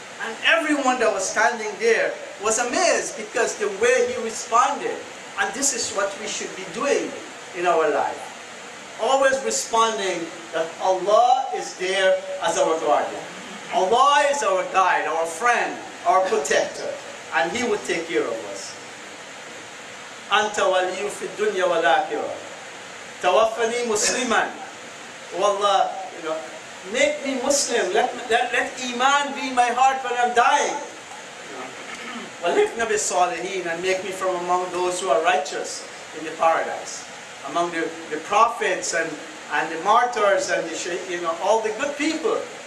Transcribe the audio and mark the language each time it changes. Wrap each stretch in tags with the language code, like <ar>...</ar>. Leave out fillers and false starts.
<en>And everyone that was standing there was amazed because the way he responded. And this is what we should be doing in our life. Always responding that Allah is there as our guardian. Allah is our guide, our friend, our protector, and He will take care of us.</en> <ar>أنت ولي في الدنيا والآخرة. توفني مسلما.</ar> <en>والله, you know, make me Muslim. Let Iman be in my heart when I'm dying.</en> <ar>وَلِفْنَا بِالصَّالِحِينَ,</ar> <en>and make me from among those who are righteous in the paradise, among the prophets and the martyrs and the, you know, all the good people.</en>